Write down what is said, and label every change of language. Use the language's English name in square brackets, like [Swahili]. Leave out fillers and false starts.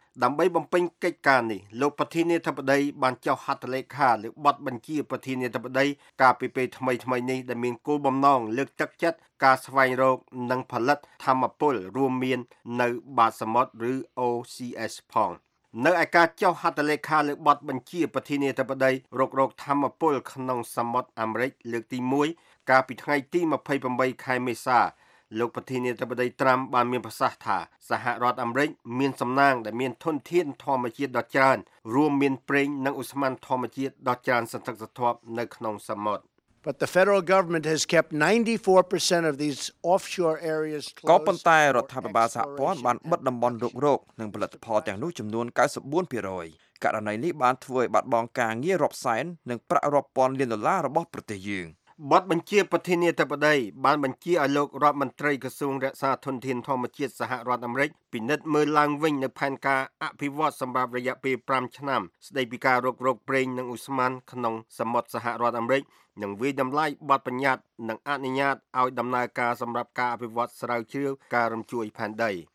[Khmer] ដើម្បីបំពេញកិច្ចការនេះលោកប្រធានាធិបតីបានចុះហត្ថលេខាឬបទបញ្ជាប្រធានាធិបតីកាលពីពេលថ្មីៗនេះដែលមានគោលបំណងលើកទឹកចិត្តការស្វែងរកនិងផលិតធម្មពលរួមមាននៅបាតសមុទ្រឬ OCS ផងនៅឯការចុះហត្ថលេខាលើបទបញ្ជាប្រធានាធិបតីរកធម្មពលក្នុងសមុទ្រអាមេរិកលើកទី1កាលពីថ្ងៃទី28ខែមេសា លោកប្រធានាធិបតីត្រាំបានមានប្រសាសន៍ថាសហរដ្ឋអាមេរិកមានសំណាងដែលមានធនធានធម្មជាតិដ៏ច្រើនរួមមានប្រេងនិងឧស្ម័នធម្មជាតិដ៏ច្រើនសន្ធឹកសន្ធាប់នៅក្នុងសមុទ្រ [English] But the federal government has kept 94% of these offshore areas closed. [Khmer] ក៏ប៉ុន្តែរដ្ឋាភិបាលសហព័ន្ធបានបិទតំបន់រុករកនិងផលិតផលទាំងនោះចំនួន 94%. ករណីនេះបានធ្វើឲ្យបាត់បង់ការងាររាប់សែននិងប្រាក់រាប់ពាន់លានដុល្លាររបស់ប្រទេសយើង ។បទបញ្ជាប្រធានាធិបតីបានបញ្ជាឲ្យលោករដ្ឋមន្ត្រីក្រសួងរក្សាធនធានធម្មជាតិសហរដ្ឋអាមេរិកពិនិត្យមើលឡើងវិញនូវផែនការអភិវឌ្ឍសម្រាប់រយៈពេល5ឆ្នាំស្ដីពីការរុករកប្រេងនិងឧស្ម័នក្នុងសមុទ្រសហរដ្ឋអាមេរិកនឹងវិយតម្លាយបទបញ្ញត្តិនិងអនុញ្ញាតឲ្យដំណើរការសម្រាប់ការអភិវឌ្ឍស្រាវជ្រាវការរំជួយផែនដី